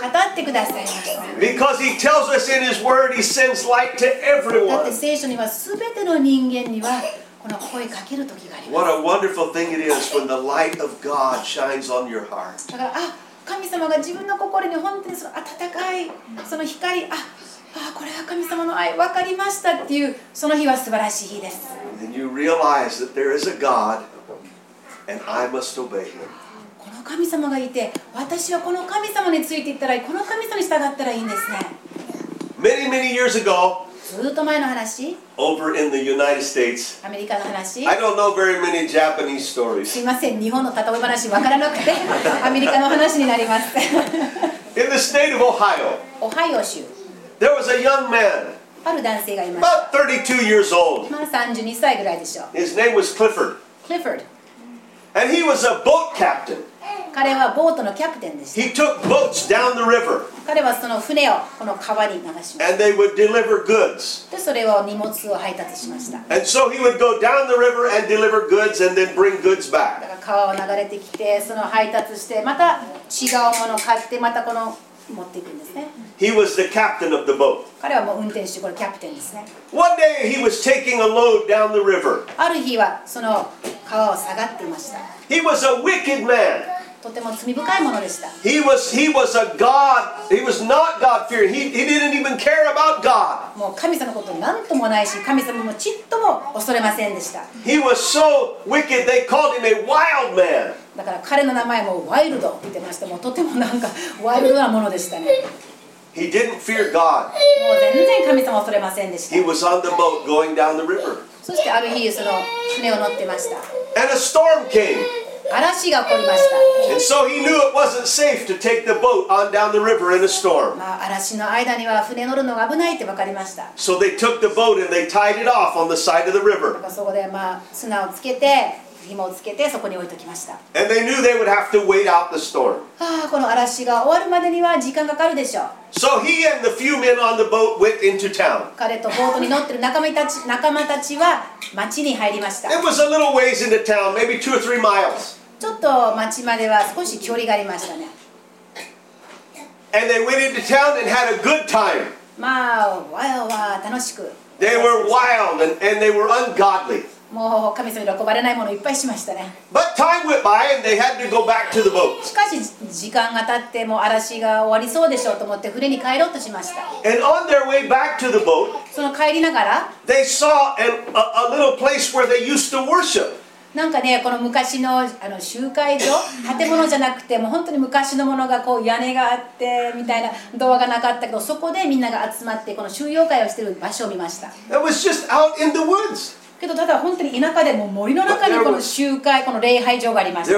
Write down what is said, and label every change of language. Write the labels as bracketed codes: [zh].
[ja] 語ってくださいます。 [en] Because he tells us in his word, he sends light to everyone. [ja] だって聖書には全ての人間には、この声かける時があります。 [en] What a wonderful thing it is when the light of God shines on your heart. [ja] だから、あ、神様が自分の心に本当にその温かいその光、ああこれは神様の愛、分かりましたっていう、その日は素晴らしい日です。 [en] Then you realize that there is a God, and I must obey him. [ja] この神様がいて、私はこの神様についていったらいい、この神様に従ったらいいんですね。 [en] Many, many years ago, [ja] ずっと前の話、 [en] over in the United States, [ja] アメリカの話、 [en] I don't know very many Japanese stories. [ja] すいません、日本の例え話分からなくて、アメリカの話になります。 [en] In the state of Ohio, [ja] オハイオ州、 [en] there was a young man, [ja] ある男性がいます。 [en] About 32 years old. [ja] まあ32歳ぐらいでしょう。 [en] His name was Clifford. Clifford. And he was a boat captain. [ja] 彼はボートのキャプテンでした。 [en] He took boats down the river. [ja] 彼はその船をこの川に流しました。 [en] And they would deliver goods. [ja] で、それは荷物を配達しました。 [en] And so he would go down the river and deliver goods and then bring goods back. [ja] だから川を流れてきて、その配達して、また違うものを買って、またこの持っていくんですね。 [en] He was the captain of the boat. [ja] 彼はもう運転手、これキャプテンですね。 [en] One day he was taking a load down the river. [ja] ある日はその川を下がっていました。 [en] He was a wicked man. とても罪深いものでした。 He was a God. He was not God-fearing. He didn't even care about God. [ja] もう神様のこと何ともないし、神様もちっとも恐れませんでした。 [en] He was so wicked they called him a wild man. [ja] だから彼の名前もワイルドって言ってました。もうとてもなんかワイルドなものでしたね。 [en] He didn't fear God. [ja] もう全然神様を恐れませんでした。 [en] He was on the boat going down the river. [ja] そしてある日その船を乗ってました。 [en] And a storm came. [ja] 嵐が起こりました。 [en] And so he knew it wasn't safe to take the boat on down the river in a storm. [ja] まあ嵐の間には船乗るのが危ないって分かりました。 [en] So they took the boat and they tied it off on the side of the river. [ja] だからそこでまあ砂をつけて紐をつけてそこに置いておきました。 [en] And they knew they would have to wait out the storm. [ja] ああ、この嵐が終わるまでには時間がかかるでしょう。 [en] So he and the few men on the boat went into town. [ja] 彼とボートに乗ってる仲間たちは町に入りました。 [en] It was a little ways into town, maybe 2 or 3 miles. [ja] ちょっと町までは少し距離がありましたね。 [en] And they went into town and had a good time. [ja] まあ、わいわい楽しく。 [en] They were wild and they were ungodly. [ja] もう神様に喜ばれないものをいっぱいしましたね。 [en] But time went by and they had to go back to the boat. [ja] しかし時間が経ってもう嵐が終わりそうでしょうと思って船に帰ろうとしました。 [en] And on their way back to the boat, [ja] その帰りながら [en] they saw a little place where they used to worship. [ja] なんかね、この昔の、あの集会所、建物じゃなくてもう本当に昔のものがこう屋根があってみたいな、ドアがなかったけど、そこでみんなが集まってこの収容会をしている場所を見ました。 [en] It was just out in the woods [ja] けどただ本当に田舎でも森の中にこの集会、この礼拝場がありました。